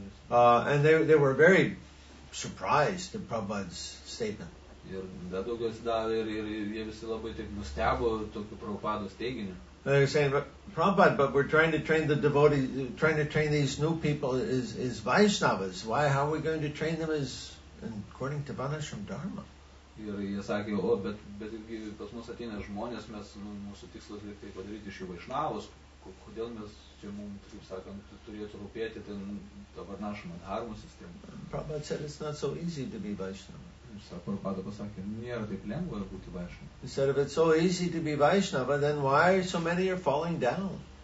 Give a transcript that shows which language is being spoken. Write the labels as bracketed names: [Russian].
[English] And they were very surprised at Prabhupada's statement. [Lithuanian] Ir dar daugiau atsidavė ir jie visi labai taip nustebo tokiu Prabhupados teiginiu. [English] They're saying, but Prabhupada, but we're trying to train the devotees, trying to train these new people as Vaishnavas. Why, how are we going to train them as, according to Vanashram Dharma? [Lithuanian] Ir jie sakė, o, bet pas mus ateina žmonės, mes, mūsų tikslas yra tai padaryti iš jų Vaishnavus, kodėl mes čia mums, taip sakant, turėtų rūpėti ten tą Vanashram Dharma sistemą. [English] Prabhupada said, it's not so easy to be Vaishnava. He said, if it's so easy to be Vaishnava, then why so many are falling down?